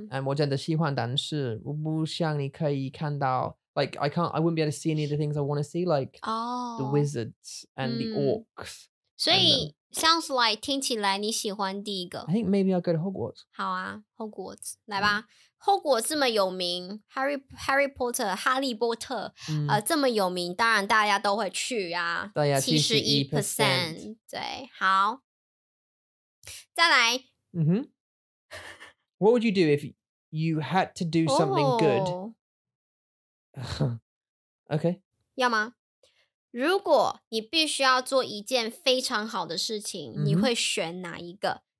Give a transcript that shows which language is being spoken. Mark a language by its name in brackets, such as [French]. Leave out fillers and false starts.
[Chinese] And 我真的喜欢，但是我不想你可以看到。 [English] Like, I wouldn't be able to see any of the things I want to see, like the wizards and the orcs. So... Sounds like, [Chinese] 听起来你喜欢第一个。 [English] I think maybe I'll go to Hogwarts. [Chinese] 好啊 ,Hogwarts, 来吧。Hogwarts 这么有名 ,Harry Potter, 哈利波特这么有名，当然大家都会去啊。大家 71%。 对，好。再来。 Mm-hmm. [English] What would you do if you had to do something good? Okay. [Chinese] 要吗？如果你必须要做一件非常好的事情，你会选哪一个？